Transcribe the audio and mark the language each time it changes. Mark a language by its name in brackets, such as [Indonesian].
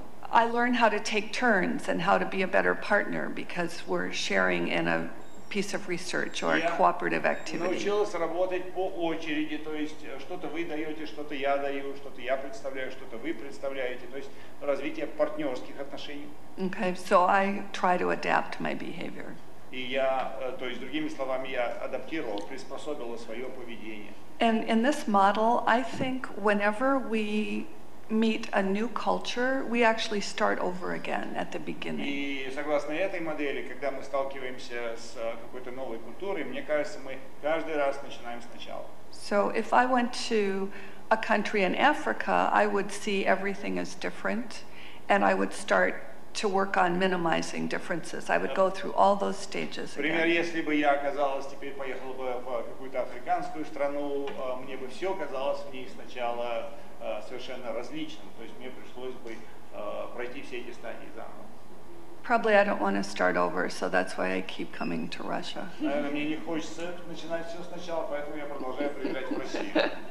[English] I learn how to take turns and how to be a better partner because we're sharing in a piece of research or a cooperative activity. [Russian] Научилась работать по очереди, то есть что-то вы даете, что-то я даю, что-то я представляю, что-то вы представляете, то есть развитие партнерских отношений. [English] Okay, so I try to adapt my behavior. [Russian] И я, то есть другими словами, я адаптировала, приспособила свое поведение. [English] And in this model, I think whenever we meet a new culture, we actually start over again at the beginning. [Russian] И согласно этой модели, когда мы сталкиваемся с какой-то новой культурой, мне кажется, мы каждый раз начинаем сначала. [English] So if I went to a country in Africa, I would see everything as different, and I would start to work on minimizing differences. I would go through all those stages again. [Russian] Например, если бы я оказалась теперь поехала бы в какую-то африканскую страну, мне бы все казалось в ней сначала совершенно различным, то есть мне пришлось бы пройти все эти стадии заново. [English] Probably I don't want to start over, so that's why I keep coming to Russia. [Russian] Наверное, мне не хочется начинать все сначала, поэтому я продолжаю приезжать в Россию.